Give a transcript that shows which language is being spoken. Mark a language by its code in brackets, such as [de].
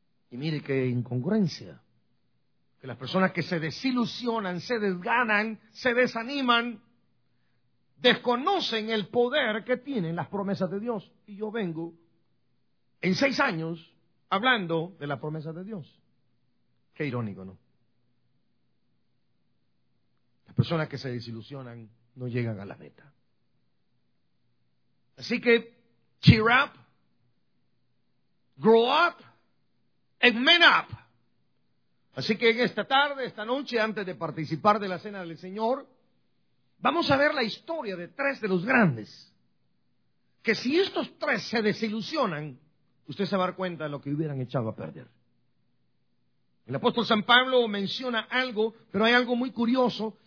[es] Y mire qué incongruencia. Que las personas que se desilusionan, se desganan, se desaniman, desconocen el poder que tienen las promesas de Dios. Y yo vengo en 6 años hablando de las promesas de Dios. Qué irónico, ¿no? Las personas que se desilusionan no llegan a la meta. Así que, [en] cheer up, grow up, and man up. [es] Así que en esta tarde, esta noche, antes de participar de la cena del Señor, vamos a ver la historia de 3 de los grandes. Que si estos 3 se desilusionan, usted se va a dar cuenta de lo que hubieran echado a perder. El apóstol San Pablo menciona algo, pero hay algo muy curioso.